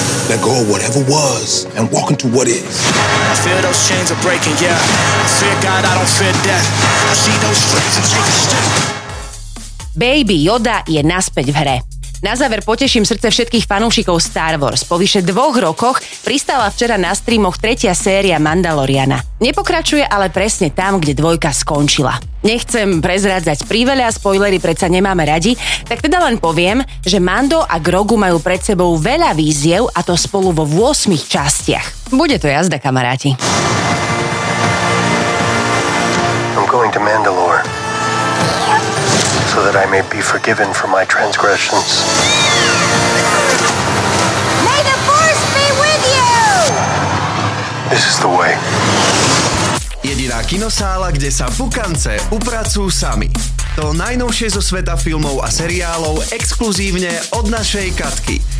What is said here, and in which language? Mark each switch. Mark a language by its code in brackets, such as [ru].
[en] Let go of whatever was and walk into what is. I feel those chains are breaking, yeah. I fear God, I don't fear death. I see those strings and take a step. [sk] Baby Yoda je naspäť v hre. Na záver poteším srdce všetkých fanúšikov Star Wars. Po vyše 2 rokoch pristála včera na streamoch 3. séria Mandaloriana. Nepokračuje ale presne tam, kde 2 skončila. Nechcem prezrádzať príveľa, spoilery predsa nemáme radi, tak teda len poviem, že Mando a Grogu majú pred sebou veľa víziev a to spolu vo 8 častiach. Bude to jazda, kamaráti. [en] I'm going to Mandalore. So that I may be forgiven for my transgressions. May the force be with you! This is the way. [sk] Jediná kinosála, kde sa pukance upracujú sami. To najnovšie zo sveta filmov a seriálov exkluzívne od našej Katky.